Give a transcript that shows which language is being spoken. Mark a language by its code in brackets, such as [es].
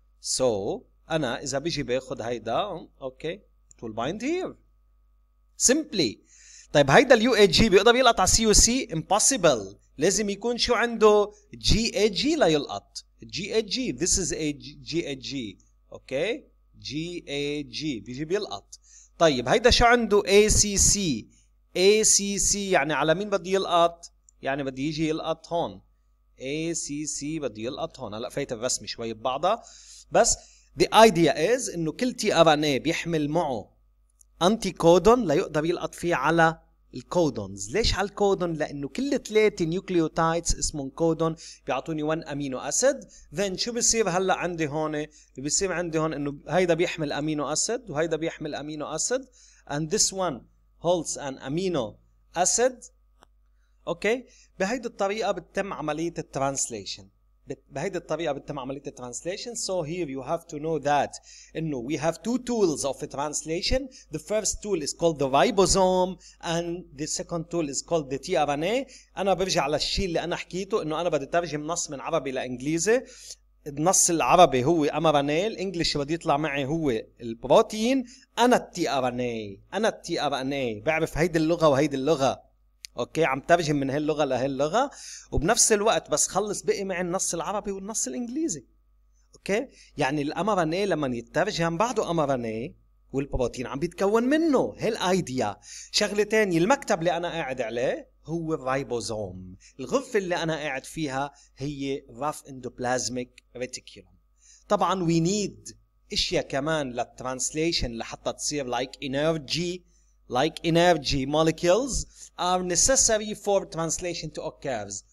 [ar] So أنا إذا بيجي بأخذ هيدا أوكي okay, [en] it will bind here simply. [ar] طيب هيدا الـ UAG بيقدر يلقط على CUC؟ impossible. لازم يكون شو عنده؟ GAG لا يلقط. GAG this is GAG okay GAG بيجي بيلقط. طيب هيدا شو عنده؟ ACC ACC يعني على مين بدي يلقط؟ يعني بدي يجي يلقط هون ACC بدي يلقط هون. هلا فايت الرسم شوي ببعضها بس [en] the idea is [ar] انه كل tRNA بيحمل معه anticodon ليقدر يلقط فيه على الكودونز. ليش على الكودون؟ لانه كل ثلاثه نيوكليوتايدز اسمهم كودون بيعطوني 1 امينو اسيد. ذن شو بصير هلا عندي هون؟ بصير عندي هون انه هيدا بيحمل امينو اسيد وهيدا بيحمل امينو اسيد [en] and this one holds an amino acid. [ar] اوكي بهيدي الطريقه بتتم عمليه الترانسليشن. بهيدي الطريقه بتتم عمليه الترانسليشن. [en] So here you have to know that انه we have two tools of translation. The first tool is called the ribosome and the second tool is called the tRNA. [ar] انا برجع على الشيء اللي انا حكيته انه انا بدي ترجم نص من عربي لانجليزي. النص العربي هو mRNA، الانجليش بدي يطلع معي هو البروتين. انا tRNA، انا tRNA بعرف هيدي اللغه وهيدي اللغه. اوكي عم ترجم من هاللغه لهاللغه وبنفس الوقت بس خلص بقي معي النص العربي والنص الانجليزي. اوكي يعني الامرانيه لما يترجم بعده امرانيه والبروتين عم بيتكون منه. هالايديا شغله ثانيه. المكتب اللي انا قاعد عليه هو الريبوزوم. الغرفه اللي انا قاعد فيها هي راف اندوبلازميك ريتيكولوم. طبعا وي نيد اشياء كمان للترانسليشن لحتى تصير لايك انرجي. [en] Like energy molecules are necessary for translation to occur.